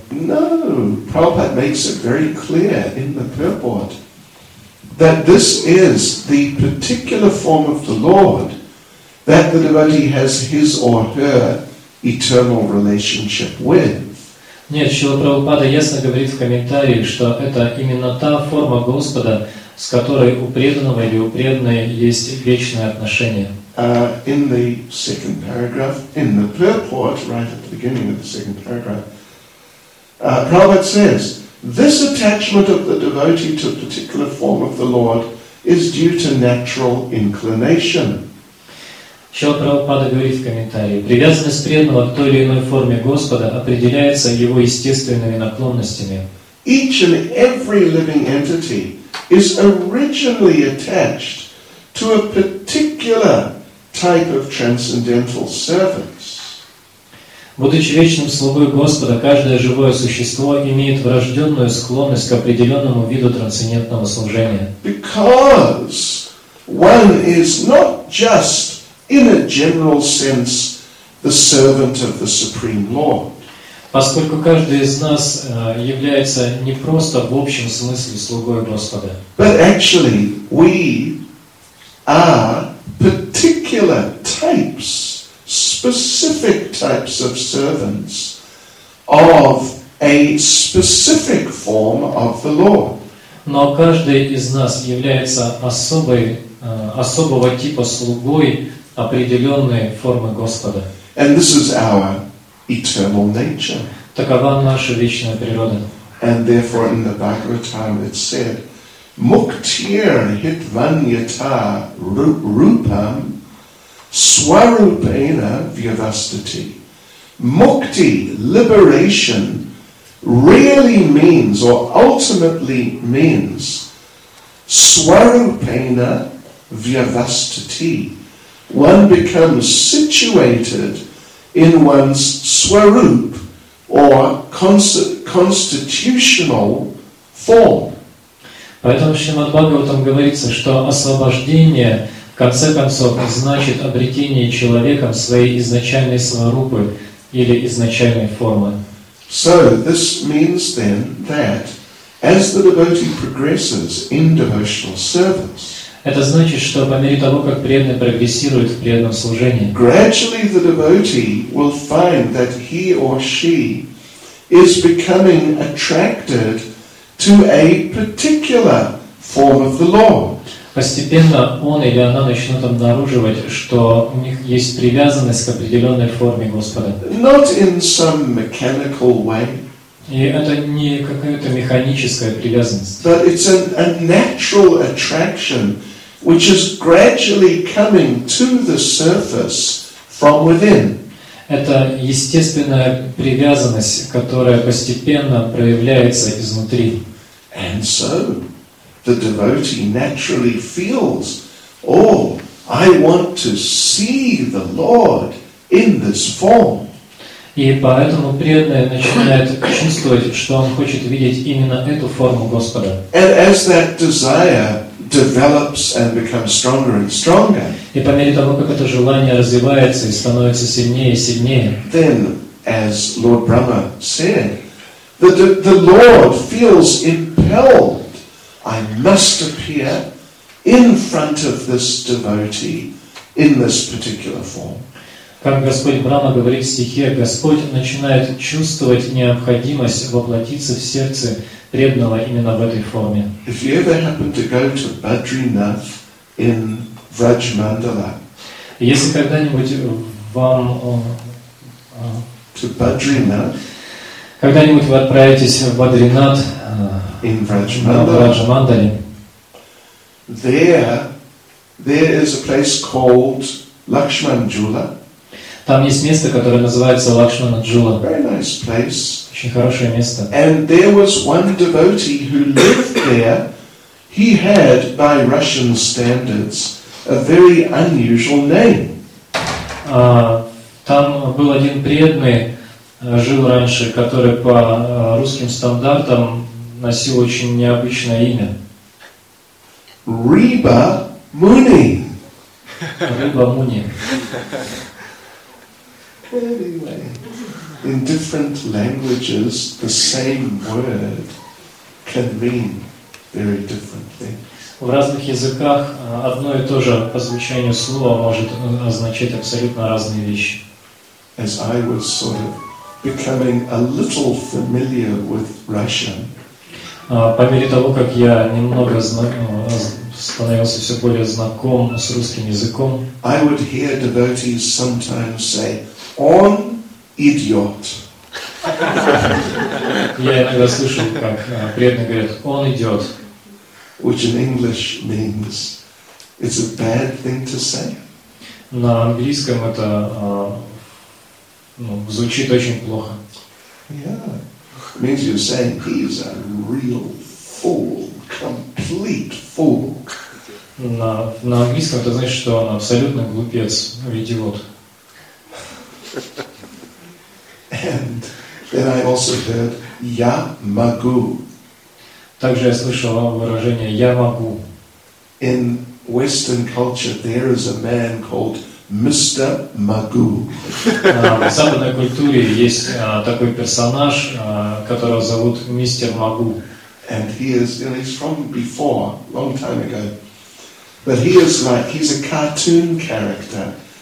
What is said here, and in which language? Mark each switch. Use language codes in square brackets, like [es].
[en] No, Prabhupada makes it very clear in the purport that this is the particular form of the Lord that the devotee has his or her eternal relationship with. [ru] Нет, Шрила Прабхупада ясно говорит в комментарии, что это именно та форма Господа, с которой у преданного или у преданной есть вечное отношение. [en] In the second paragraph, in the purport, right at the beginning of the second paragraph, Prabhupada says, this attachment of the devotee to a particular form of the Lord is due to natural inclination. [ru] Шрила Прабхупада говорит в комментарии, привязанность преданного к той или иной форме Господа определяется его естественными наклонностями. [en] Each and every living entity is originally attached to a particular type of transcendental service. [ru] Будучи вечным слугой Господа, каждое живое существо имеет врожденную склонность к определенному виду трансцендентного служения. [en] Because one is not just in a general sense, the servant of the Supreme Lord. [ru] Поскольку каждый из нас является не просто в общем смысле слугой Господа. [en] But actually, we are particular types, specific types of servants of a specific form of the Lord. [ru] Но каждый из нас является особого типа слугой определенные формы Господа. [en] And this is our eternal nature. [ru] Такова наша вечная природа. [en] And therefore in the Bhagavatam it said, [sa] Muktir hitvanyata rupam swarupena vyavastati. [en] Mukti, liberation, really means or ultimately means swarupena vyavastiti. One becomes situated in one's swarup, or constitutional form. [ru] Поэтому Шримад-Бхагаватам говорится, что освобождение в конце концов значит обретение человеком своей изначальной сварупы или изначальной формы. [en] So this means then that as the devotee progresses in devotional service, [ru] это значит, что по мере того, как преданный прогрессирует в преданном служении, [en] gradually the devotee will find that he or she is becoming attracted to a particular form of the Lord. [ru] Постепенно он или она начнет обнаруживать, что у них есть привязанность к определенной форме Господа. [en] Not in some mechanical way. [ru] И это не какая-то механическая привязанность. [en] But it's a natural attraction, which is gradually coming to the surface from within. [ru] Это естественная привязанность, которая постепенно проявляется изнутри. [en] And so, the devotee naturally feels, oh, I want to see the Lord in this form. [ru] И поэтому преданный начинает чувствовать, что он хочет видеть именно эту форму Господа. [en] And as that desire develops and becomes stronger and stronger, [ru] и по мере того, как это желание развивается и становится сильнее и сильнее, [en] then, as Lord Brahma said, the Lord feels impelled, I must appear in front of this devotee in this particular form. [ru] Как Господь Брама говорит в стихе, Господь начинает чувствовать необходимость воплотиться в сердце преданного именно в этой форме. [en] If you ever happen to go to Badrinath in Vrajmandala, [ru] если когда-нибудь вам [en] to Badrinath, [ru] когда-нибудь вы отправитесь в Бадринат [en] in Vrajmandala, [ru] в Раджмандале, [en] there is a place called Lakshmanjula. [ru] Там есть место, которое называется Лакшманаджула. [en] Very nice place. [ru] Очень хорошее место. [en] And there was one devotee who lived there. He had, by Russian standards, a very unusual name. [ru] Там был один преданный, жил раньше, который по русским стандартам носил очень необычное имя. Риба Муни. Риба Муни. [en] Anyway, in different languages, the same word can mean very different things. [ru] В разных языках одно и то же по звучанию слова может означать абсолютно разные вещи. [en] As I was sort of becoming a little familiar with Russian, [ru] по мере того, как я немного становился все более знаком с русским языком, [en] I would hear devotees sometimes say, [ru] он идиот. Я иногда слышал, как преданные говорят, он идиот. [en] Which in English means it's a bad thing to say. [ru] На английском это звучит очень плохо. [en] Yeah. It means you're saying he's a real fool, complete fool. [ru] На английском это значит, что он абсолютно глупец, идиот. [en] And then I also heard [ru] "я могу". Также я слышал выражение "я могу". [en] In Western culture, there is a man called Mr. Magoo. [ru] В западной культуре есть такой персонаж, которого зовут мистер Магу. [en] And he is, you know, he's from before, long time ago. But he is like, he's a cartoon character.